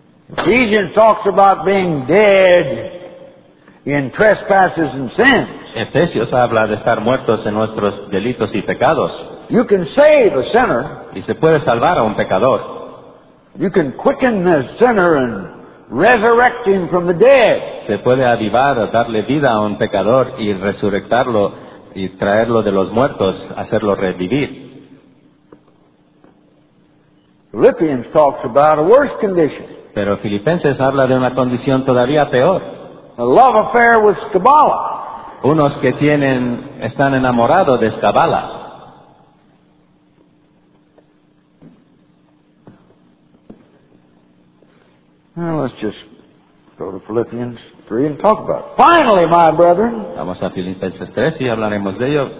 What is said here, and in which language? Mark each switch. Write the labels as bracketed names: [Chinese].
[English] Ephesians talks about being dead in trespasses and sins. [Spanish] Efesios habla de estar muertos en nuestros delitos y pecados. [English] You can save a sinner. [Spanish] Y se puede salvar a un pecador. [English] You can quicken the sinner and resurrect him from the dead. [Spanish] Se puede avivar, darle vida a un pecador y resurrectarlo y traerlo de los muertos, hacerlo revivir. [English] Philippians talks about a worse condition. [Spanish] Pero Filipenses habla de una condición todavía peor. [English] A love affair with Scabala. [Spanish] Unos que tienen, están enamorados de Scabala. [English] Well, let's just go to Philippians 3 and talk about it. Finally, my brethren. [Spanish] Vamos a Filipenses 3 y hablaremos de ello.